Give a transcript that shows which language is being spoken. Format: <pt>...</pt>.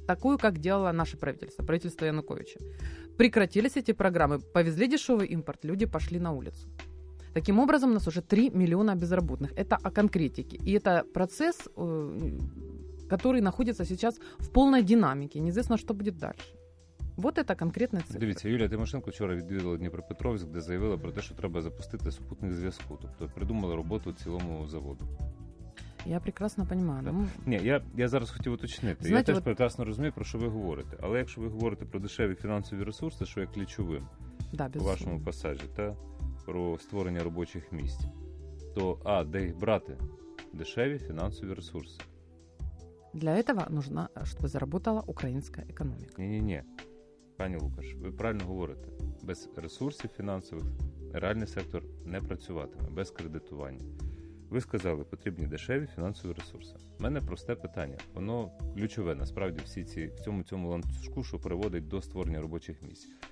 <ru>Такую, как делало наше правительство, правительство Януковича. Прекратились эти программы, повезли дешевый импорт, люди пошли на улицу. Таким образом, у нас уже 3 миллиона безработных. Это о конкретике. И это процесс, который находится сейчас в полной динамике. Неизвестно, что будет дальше. Вот это конкретно цифра.</ru> <uk>Дивіться, Юлія Тимошенко вчора відвідала Дніпропетровськ, де заявила про те, що треба запустити супутник зв'язку. Тобто придумала роботу цілому заводу. Я прекрасно розумію. Ні, я зараз хотів уточнити.</uk> <ru>Знаете,</ru> <uk>я теж прекрасно розумію, про що ви говорите. Але якщо ви говорите про дешеві фінансові ресурси, що є ключовим у вашому пасажі, та про створення робочих місць, то де їх брати? Дешеві фінансові ресурси.</uk> <ru>Для этого нужно, чтобы заработала украинская экономика.</ru> <uk>Не-не-не, пані Лукаш, ви правильно говорите. Без ресурсів фінансових реальний сектор не працюватиме, без кредитування. Ви сказали, потрібні дешеві фінансові ресурси. У мене просте питання. Воно ключове, насправді, в цьому ланцюжку, що приводить до створення робочих місць.</uk>